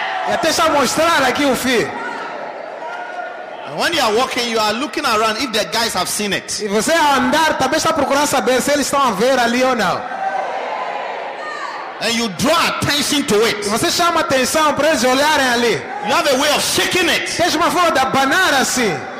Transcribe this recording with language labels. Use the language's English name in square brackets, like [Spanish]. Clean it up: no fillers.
[Portuguese] e até está a mostrar aqui o fio. [English] When you are walking, you are looking around if the guys have seen it. [Portuguese] E você a andar, também está procurando saber se eles estão a ver ali ou não. [English] And you draw attention to it. [Portuguese] Você chama atenção para eles olharem ali. [English] You have a way of shaking it. [Portuguese] Tens uma forma de abanar assim.